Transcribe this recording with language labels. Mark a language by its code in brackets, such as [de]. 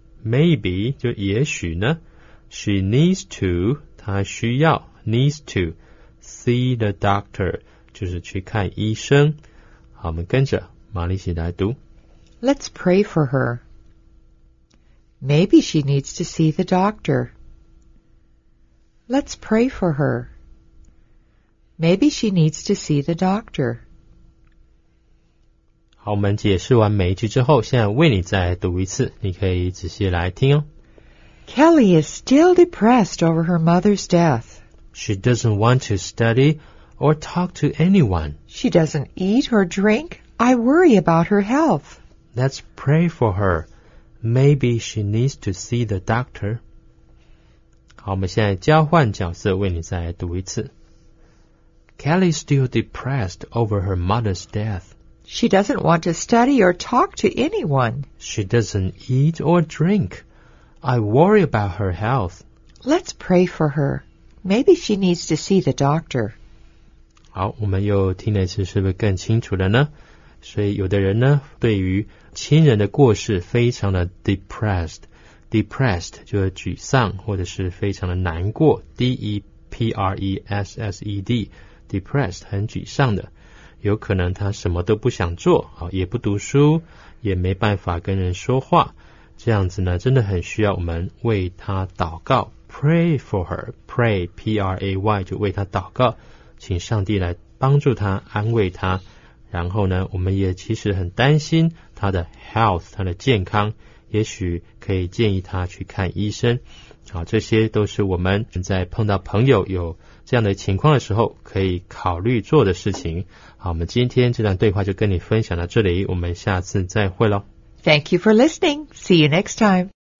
[en] Maybe [zh] 就也许呢 , [en] she needs to, [zh] 她需要 [en] needs to, see the doctor, [zh] 就是去看医生。好，我们跟着玛丽西来读。 [en] Let's pray for her. Maybe she needs to see the doctor. Let's pray for her. Maybe she needs to see the doctor. [zh] 好，我们解释完每一句之后，现在为你再读一次，你可以仔细来听哦。 [en] Kelly is still depressed over her mother's death. She doesn't want to study or talk to anyone. She doesn't eat or drink. I worry about her health. Let's pray for her. Maybe she needs to see the doctor. [zh] 好，我们现在交换角色，为你再读一次。 [en] Kelly is still depressed over her mother's death. She doesn't want to study or talk to anyone. She doesn't eat or drink. I worry about her health. Let's pray for her. Maybe she needs to see the doctor. [zh] 好，我们又听了一次，是不是更清楚了呢？所以有的人呢，对于亲人的过世非常的 depressed 就是沮丧或者是非常的难过， D-E-P-R-E-S-S-E-D depressed 很沮丧的，有可能他什么都不想做，也不读书，也没办法跟人说话，这样子呢真的很需要我们为他祷告， [en] pray for her， [zh] pray P-R-A-Y 就为他祷告，请上帝来帮助他安慰他。然后呢，我们也其实很担心他的 health， 他的健康，也许可以建议他去看医生。好，这些都是我们在碰到朋友有这样的情况的时候可以考虑做的事情。好，我们今天这段对话就跟你分享到这里，我们下次再会咯。 [en] Thank you for listening. See you next time.